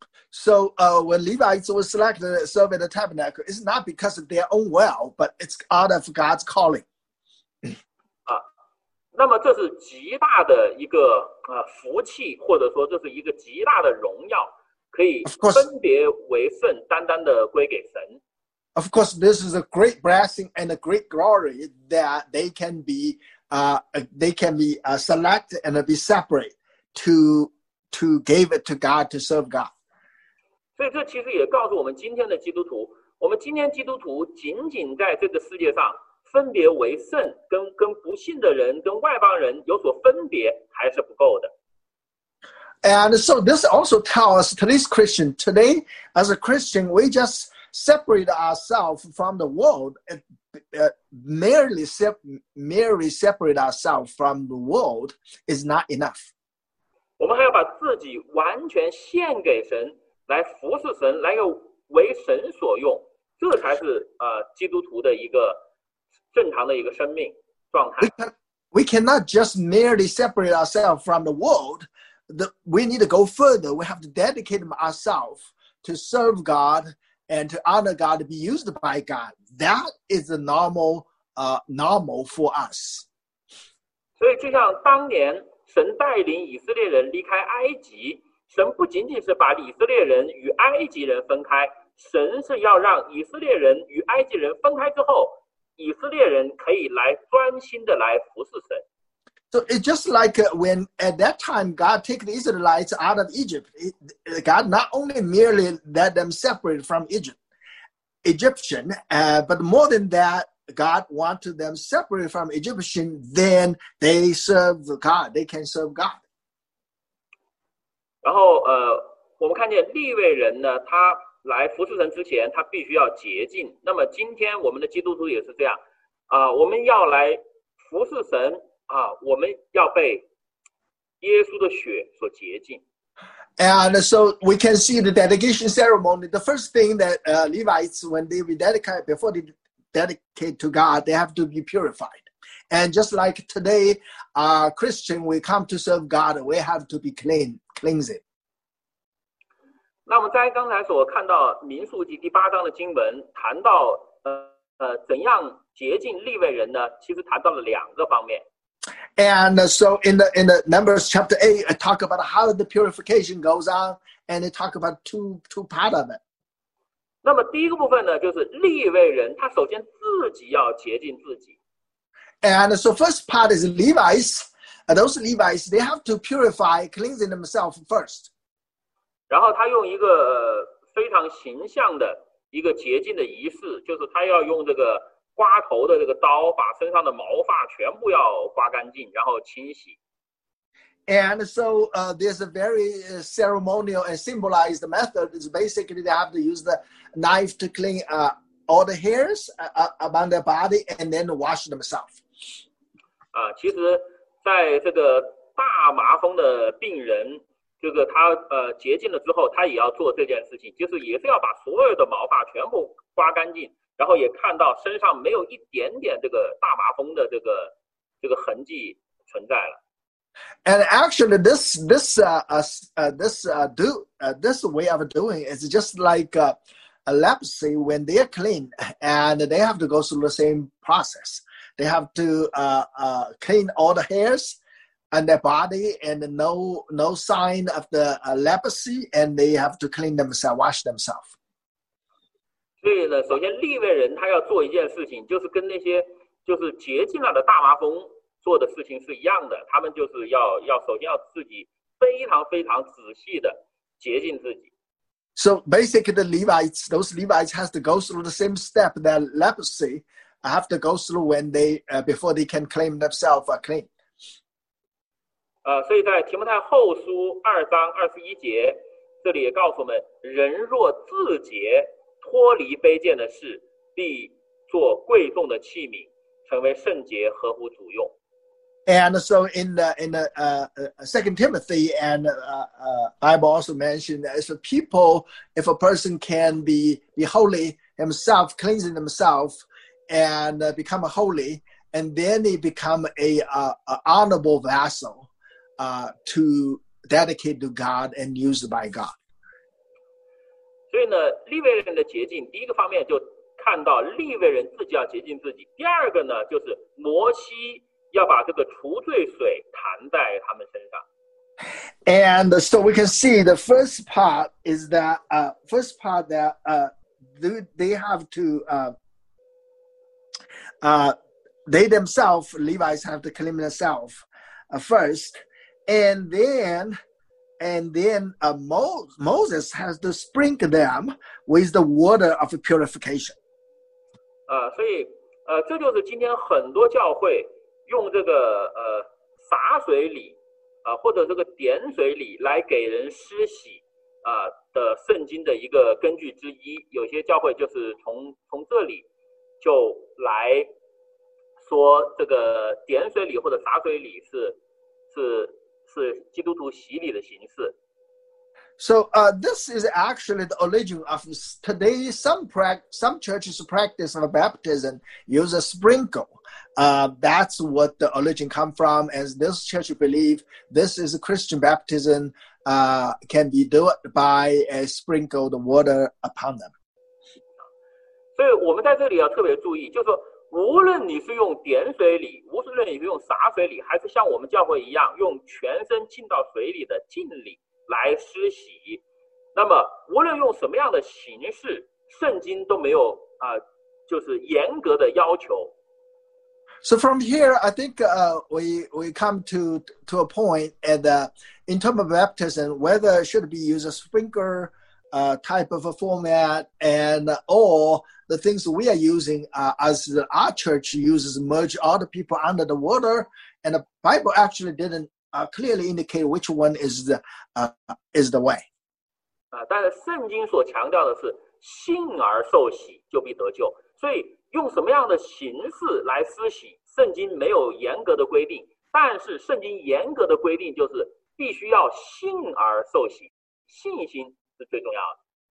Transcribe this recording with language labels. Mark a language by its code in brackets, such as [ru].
[en] So when Levites were selected to serve in the tabernacle, it's not because of their own will, but it's out of God's calling. [zh] 那么这是极大的一个福气，或者说这是一个极大的荣耀，可以分别为圣，单单的归给神。 [en] Of course, this is a great blessing and a great glory that they can be selected and be separate to give it to God to serve God. [zh] 所以这其实也告诉我们，今天的基督徒，我们今天基督徒仅仅在这个世界上。分别为圣，跟不信的人，跟外邦人有所分别，还是不够的。 [en] And so this also tells us, today's Christian, today as a Christian, we just separate ourselves from the world, merely separate ourselves from the world is not enough. [zh] 我们还要把自己完全献给神，来服侍神，来为神所用，这才是基督徒的一个正常的一个生命状态。 [en] We cannot just merely separate ourselves from the world. We need to go further. We have to dedicate ourselves to serve God and to honor God, to be used by God. That is the normal for us. [zh] 所以就像当年神带领以色列人离开埃及，神不仅仅是把以色列人与埃及人分开，神是要让以色列人与埃及人分开之后，以色列人可以来专心的来服侍神。 [en] So it's just like when at that time God took the Israelites out of Egypt. God not only merely let them separate from Egyptian, but more than that, God wanted them separate from Egyptian, then they serve God. They can serve God. [zh] 然后我们看见利未人呢，他来服侍神之前，他必须要洁净。那么今天我们的基督徒也是这样，我们要来服侍神啊，我们要被耶稣的血所洁净。 [en] And so we can see the dedication ceremony. The first thing that Levites, when they rededicate, before they dedicate to God, they have to be purified. And just like today, Christian, we come to serve God, we have to be cleansed. [zh] 那我们在刚才所看到民数记第八章的经文谈到怎样洁净利未人呢，其实谈到了两个方面。 [en] And so in the Numbers chapter 8, I talk about how the purification goes on, and I talk about two part of it. [zh] 那么第一个部分呢，就是利未人他首先自己要洁净自己。 [en] And so first part is Levites. Those Levites, they have to purify, cleansing themselves first. [zh] 然后他用一个非常形象的一个洁净的仪式，就是他要用这个刮头的这个刀，把身上的毛发全部要刮干净，然后清洗。 [en] And so, there's a very ceremonial and symbolized method. It's basically they have to use the knife to clean all the hairs around their body and then wash themselves. [zh] 其实在这个大麻风的病人，这个他洁净了之后，他也要做这件事情，就是也是要把所有的毛发全部刮干净，然后也看到身上没有一点点这个大麻风的这个痕迹存在了。 [en] And actually, this way of doing is just like a leprosy. When they are clean, and they have to go through the same process. They have to clean all the hairs on their body, and no sign of the leprosy, and they have to clean themselves, wash themselves. [zh] 所以呢，首先利未人他要做一件事情，就是跟那些就是洁净了的大麻风做的事情是一样的，他们就是要首先要自己非常非常仔细的洁净自己。 [en] So basically, those Levites has to go through the same step that leprosy have to go through when they before they can claim themselves are clean. [zh] 所以在提摩太后书二章二十一节，这里也告诉我们：人若自洁，脱离卑贱的事，必做贵重的器皿，成为圣洁，合乎主用。 [en] And so in the Second Timothy and Bible also mentioned that if a person can be holy himself, cleansing himself and become holy, and then he become a honorable vessel to dedicate to God and used by God. [zh] 所以呢，利未人的洁净，第一个方面就看到利未人自己要洁净自己。第二个呢，就是摩西要把这个除罪水弹在他们身上。 [en] And so we can see the first part is that they themselves, Levites, have to clean themselves first, and then Moses has to sprinkle them with the water of purification. [zh] 所以这就是今天很多教会用这个洒水礼或者这个点水礼来给人施洗的圣经的一个根据之一，有些教会就是从这里就来说这个点水礼或者洒水礼是基督徒洗礼的形式。 [en] So, this is actually the origin of today. Some churches practice of baptism use a sprinkle. That's what the origin come from. As this church believe, this is a Christian baptism, can be done by a sprinkled water upon them. [zh] 所以我们在这里要特别注意，就是无论你是用点水礼，无论你是用洒水礼，还是像我们教会一样用全身浸到水里的浸礼来施洗，那么无论用什么样的形式，圣经都没有就是严格的要求。 [en] So from here, I think we come to a point at in terms of baptism, whether it should be used a sprinkler type of a format and or the things we are using as our church uses merge all the people under the water, and the Bible actually didn't. Clearly indicate which one is the way. [zh] 但是圣经所强调的是信而受洗就必得救，所以用什么样的形式来施洗，圣经没有严格的规定，但是圣经严格的规定就是必须要信而受洗，信心是最重要的。